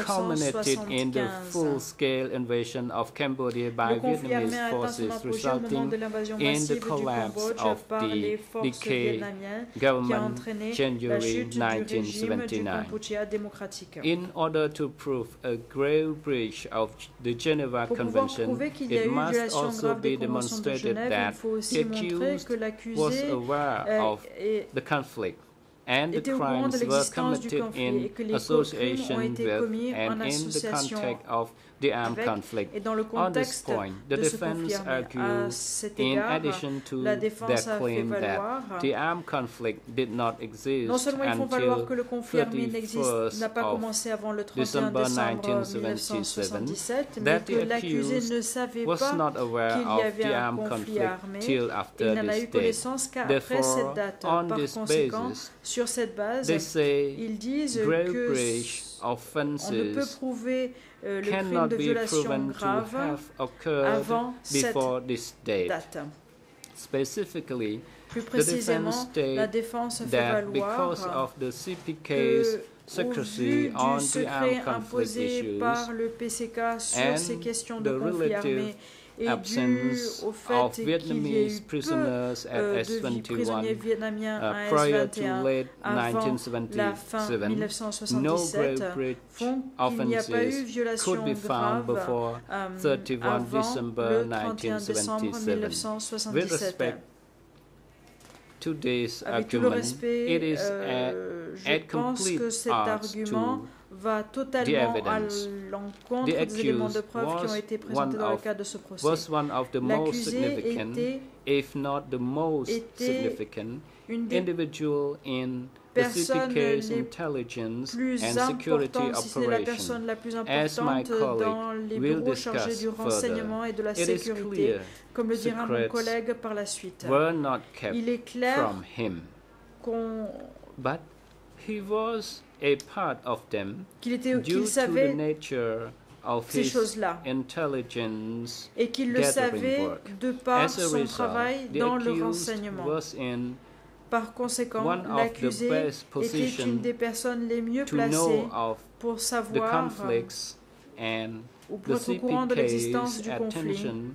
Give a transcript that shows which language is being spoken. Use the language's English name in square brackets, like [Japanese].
[French] Le conflit armé a atteint son apogée au moment de l'invasion massive du Cambodge par les forces vietnamiennes qui a entraîné la chute du régime du Cambodgia démocratique. [English] In order to prove a grave breach of the Geneva Convention, it must also be demonstrated that the accused was aware of the conflict and the crimes were committed in association with and in the context of the armed conflict. On this point, the defense argues, in addition to their claim that the armed conflict did not exist until the 31st of December 1977, that the accused was not aware of the armed conflict till after this date. Therefore, on this basis, [French] sur cette base, [English] they say, [French] ils disent que on ne peut prouver le crime de violation grave avant cette date. [English] Specifically, [French] plus précisément, la défense fait valoir que, au vu du secret imposé par le PCK sur ces questions de conflit armé, et [English] absence [French] dû au fait [English] of Vietnamese prisoners at S21 prior to late 1977, no grave breach offenses could be found before 31 December 1977. With respect to this argument, it is at complete odds to [French] va totalement à l'encontre des éléments de preuve qui ont été présentés dans le cadre de ce procès. [English] Was one of the most significant, if not the most significant, individual in the CPK's intelligence and security operation. As my colleague will discuss further, it is clear secrets were not kept from him. But he was a part of them due to the nature of his intelligence [French] et qu'il le savait de par son travail dans le renseignement. Par conséquent, l'accusé était une des personnes les mieux placées pour savoir [English] the conflicts and [French] ou pour être au courant de l'existence du conflit